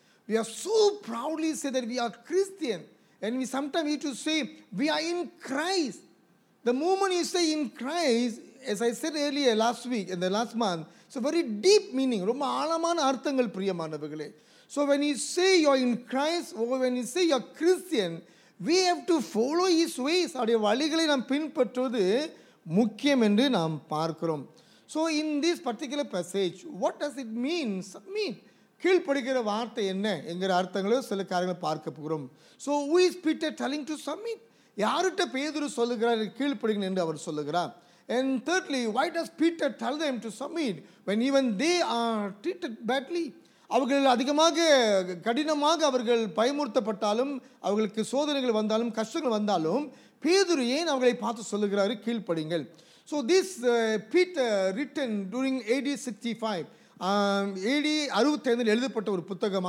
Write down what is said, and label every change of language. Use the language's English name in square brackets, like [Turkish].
[English] We are so proudly say that we are Christian, and we sometimes need to say we are in Christ. The moment you say in Christ, as I said earlier last week and the last month, so very deep meaning, [Tamil] romba aalamana arthangal priyamanavargale. [English] So when you say you're in Christ, or when you say you're Christian, we have to follow his ways. [Tamil] அவருடைய வழிகளை நாம் பின்பற்றுவது முக்கியம் என்று நாம் பார்க்கிறோம். [English] So in this particular passage, what does it mean? Submit. [Tamil] கீழ்ப்படுகிற வார்த்தை என்ன என்கிற அர்த்தங்களோ சில காரியங்களை பார்க்க போகிறோம். [English] So who is Peter telling to submit? [Tamil] யார்கிட்ட பேதுரு சொல்லுகிறார் கீழ்ப்படுங்கள் என்று அவர் சொல்லுகிறார்? [English] And thirdly, why does Peter tell them to submit when even they are treated badly? [Tamil] அவர்கள் அதிகமாக கடினமாக அவர்கள் பயமுறுத்தப்பட்டாலும், அவர்களுக்கு சோதனைகள் வந்தாலும், கஷ்டங்கள் வந்தாலும், பேதுரு ஏன் அவர்களை பார்த்து சொல்லுகிறாரு கீழ்ப்படிங்கள்? [English] so this Peter written during AD 65 [Tamil] எழுதப்பட்ட ஒரு புத்தகம்.